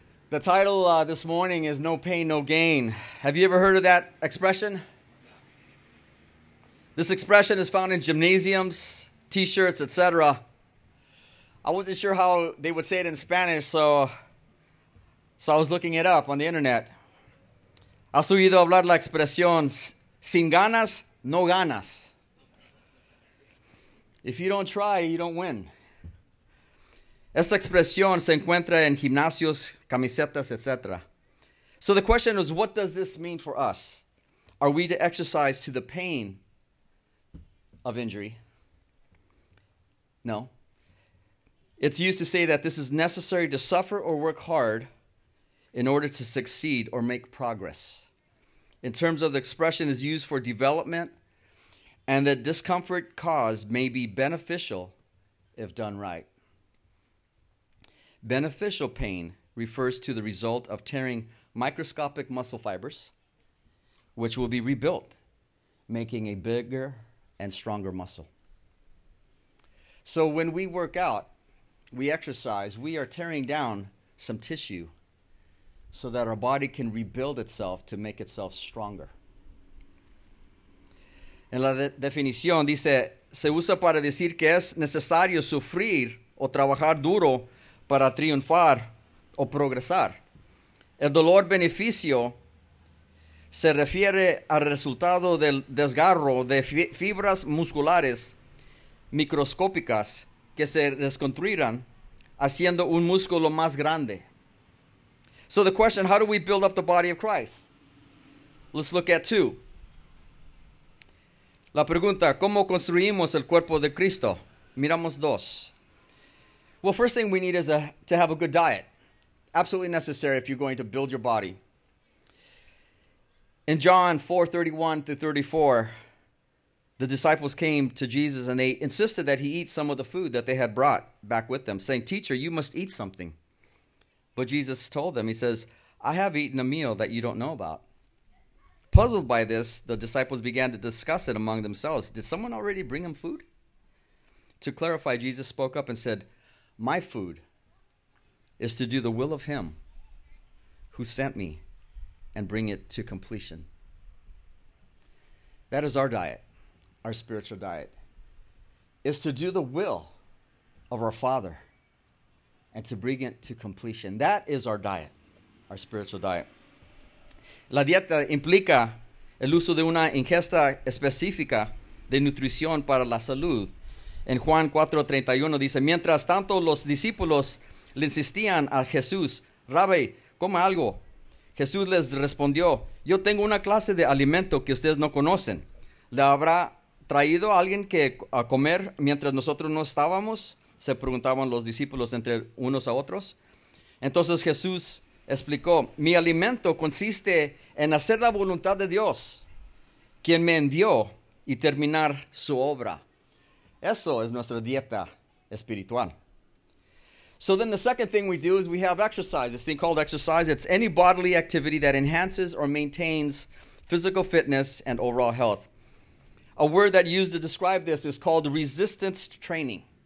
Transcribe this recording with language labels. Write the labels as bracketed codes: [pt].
[en] The title this morning is No Pain, No Gain. Have you ever heard of that expression? This expression is found in gymnasiums, t-shirts, etc. I wasn't sure how they would say it in Spanish, so I was looking it up on the internet. [es] ¿Has oído hablar la expresión, sin ganas, no ganas? [en] If you don't try, you don't win. [es] Esta expresión se encuentra en gimnasios, camisetas, etc. [en] So the question is, what does this mean for us? Are we to exercise to the pain of injury? No. It's used to say that this is necessary to suffer or work hard in order to succeed or make progress. In terms of the expression is used for development, and that discomfort caused may be beneficial if done right. Beneficial pain refers to the result of tearing microscopic muscle fibers, which will be rebuilt, making a bigger and stronger muscle. So when we work out, we exercise, we are tearing down some tissue so that our body can rebuild itself to make itself stronger. [es] En la definición dice, se usa para decir que es necesario sufrir o trabajar duro para triunfar o progresar. El dolor beneficio se refiere al resultado del desgarro de fibras musculares microscópicas que se reconstruirán haciendo un músculo más grande. [en] So the question, how do we build up the body of Christ? Let's look at two. [es] La pregunta, ¿cómo construimos el cuerpo de Cristo? Miramos dos. [en] Well, first thing we need is to have a good diet. Absolutely necessary if you're going to build your body. In John 4:31-34, the disciples came to Jesus and they insisted that he eat some of the food that they had brought back with them, saying, "Teacher, you must eat something." But Jesus told them, he says, "I have eaten a meal that you don't know about." Puzzled by this, the disciples began to discuss it among themselves. Did someone already bring him food? To clarify, Jesus spoke up and said, "My food is to do the will of him who sent me and bring it to completion." That is our diet, our spiritual diet, is to do the will of our Father and to bring it to completion. That is our diet, our spiritual diet. [es] La dieta implica el uso de una ingesta específica de nutrición para la salud. En Juan 4:31 dice, mientras tanto los discípulos le insistían a Jesús, "Rabbi, coma algo." Jesús les respondió, "Yo tengo una clase de alimento que ustedes no conocen. ¿Le habrá traído a alguien que a comer mientras nosotros no estábamos?" Se preguntaban los discípulos entre unos a otros. Entonces Jesús explicó, "Mi alimento consiste en hacer la voluntad de Dios, quien me envió, y terminar su obra." Eso es nuestra dieta espiritual. [en] So then the second thing we do is we have exercise, this thing called exercise. It's any bodily activity that enhances or maintains physical fitness and overall health. A word that used to describe this is called resistance training.